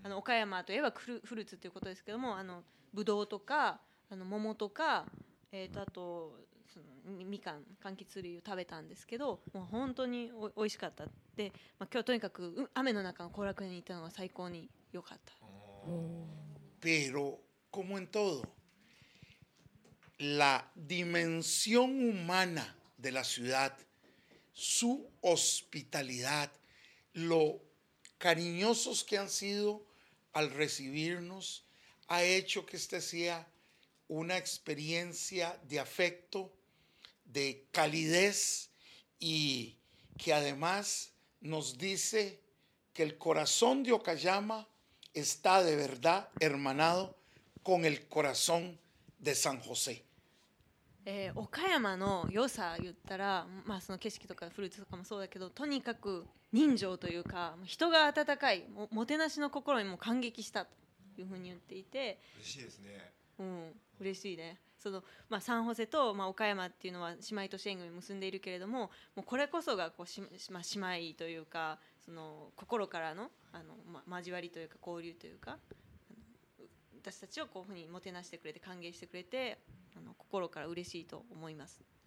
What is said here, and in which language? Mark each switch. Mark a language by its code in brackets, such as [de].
[ja] 岡山といえばフルーツということですけれども、ブドウとか桃とか。あとそのみかん柑橘類を食べたんですけど、もう本当に美味しかった。で、まあ、今日とにかく雨の中の後楽園に行ったのが最高に良かった。 [es] pero como en todo, la dimensión humana de la ciudad, su hospitalidad, lo cariñosos que han sido al recibirnos, ha hecho que este sea una experiencia de afecto, de calidez, y que además nos dice que el corazón de Okayama está de verdad hermanado con el corazón de San José. [ja] 岡山の良さ言ったら、まあ、その景色とかフルーツとかもそうだけど、とにかく人情というか、人が温かい、 もてなしの心にも感激したというふうに言っていて、嬉しいですね、うん、嬉しいね。その、まあ、サンホセと、まあ、岡山っていうのは姉妹都市縁組結んでいるけれど もうこれこそがこうし、まあ、姉妹というか、その心から あの、まあ、交わりというか交流というか、私たちをこういうふうにもてなしてくれて歓迎してくれて、あの心から嬉しいと思います。